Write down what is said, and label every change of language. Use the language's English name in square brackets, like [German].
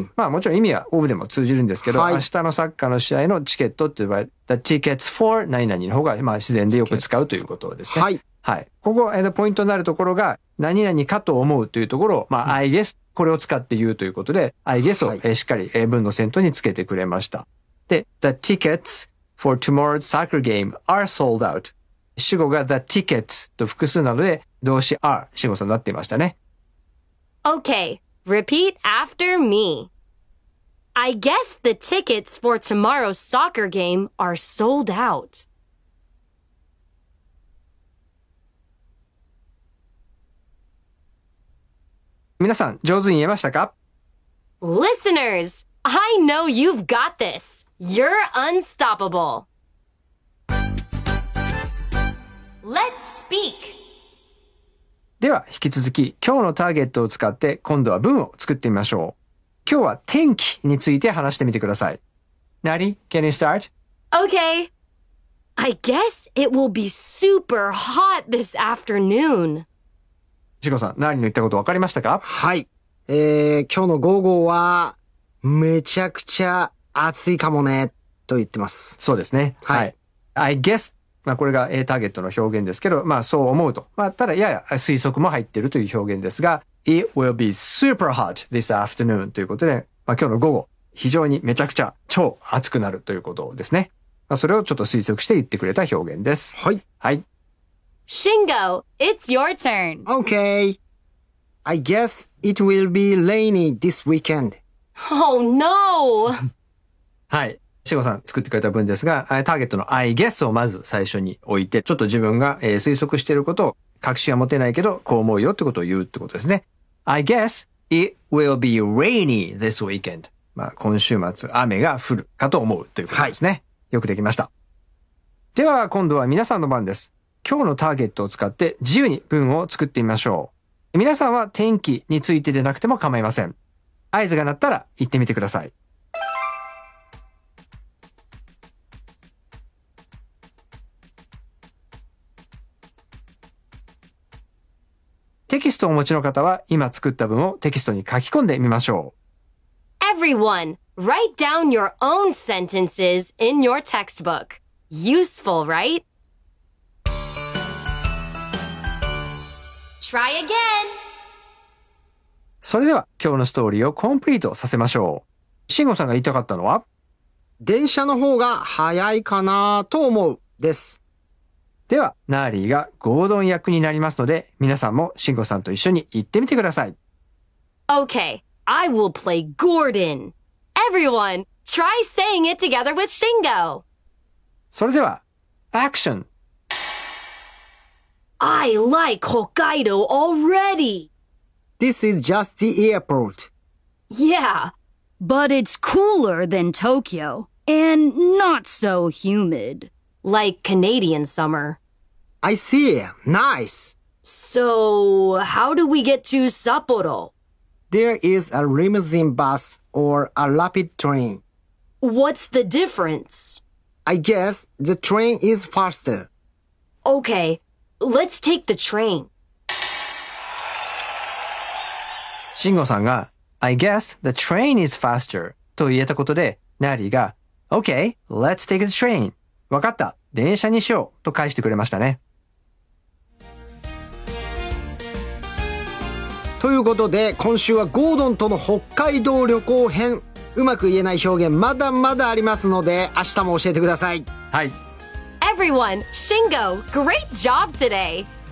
[Japanese] はい。まあもちろん意味は of でも通じるんですけど、はい、明日のサッカーの試合のチケットっていう場合、 [English] the tickets for [Japanese] 何々の方がまあ自然でよく使うということですね。はい。はい。ここはポイントになるところが、何々かと思うというところを、まあ、うん、 [English] I guess [Japanese] これを使って言うということで、I guess をしっかり文の先頭につけてくれました。はい、で、 [English] the tickets for tomorrow's soccer game are sold out。 [Japanese] 主語が [English] the tickets [Japanese] と複数なので、動詞 are、主語さんになっていましたね。 [English] Okay, repeat after me. I guess the tickets for tomorrow's soccer game are sold out. [Japanese] 皆さん、上手に言えましたか? [English] Listeners, I know you've got this. You're unstoppable. Let's speak. [Japanese] では、引き続き、今日のターゲットを使って、今度は文を作ってみましょう。今日は天気について話してみてください。 [English] Nari, can you start? Okay. I guess it will be super hot this afternoon. [Japanese] シゴさん、何の言ったこと分かりましたか? はい、今日の午後はめちゃくちゃ暑いかもねと言ってます。そうですね。はい。はい、 [English] I guess、 [Japanese] まあこれがターゲットの表現ですけど、まあそう思うと、まあただやや推測も入っているという表現ですが、 [English] It will be super hot this afternoon [Japanese] ということで、まあ今日の午後非常にめちゃくちゃ超暑くなるということですね。まあそれをちょっと推測して言ってくれた表現です。はい。はい。 [English] Shingo, it's your turn. Okay. I guess it will be rainy this weekend. Oh no! [Japanese] はい。 Shingo さん作ってくれた文ですが、ターゲットの [English] I guess [Japanese] をまず最初に置いて、ちょっと自分が、推測していることを確信は持てないけど、こう思うよってことを言うってことですね。 [English] I guess it will be rainy this weekend. [Japanese] まあ、今週末雨が降るかと思うということですね。はい、よくできました。では、今度は皆さんの番です。今日のターゲットを使って自由に文を作ってみましょう。皆さんは天気についてでなくても構いません。合図が鳴ったら言ってみてください。テキストをお持ちの方は今作った文をテキストに書き込んでみましょう。 [English] Everyone, write down your own sentences in your textbook. Useful, right? Try again. [Japanese] それでは今日のストーリーをコンプリートさせましょう。慎吾さんが言いたかったのは電車の方が早いかなと思うです。ではナーリーがゴードン役になりますので皆さんも慎吾さんと一緒に言ってみてください。 [English] Okay, I will play Gordon. Everyone, try saying it together with Shingo. それではアクション。 I like Hokkaido already. This is just the airport. Yeah, but it's cooler than Tokyo and not so humid, like Canadian summer. I see. Nice. So, how do we get to Sapporo? There is a limousine bus or a rapid train. What's the difference? I guess the train is faster. Okay. Let's take the train. Shingo さんが I guess the train is faster [Japanese] と言えたことで、 [English] ナーリーが Okay, let's take the train. [Japanese] わかった、電車にしようと返してくれましたね。ということで、今週はゴードンとの北海道旅行編。うまく言えない表現まだまだありますので、明日も教えてください。はい。 [English] Everyone, Shingo, great job today!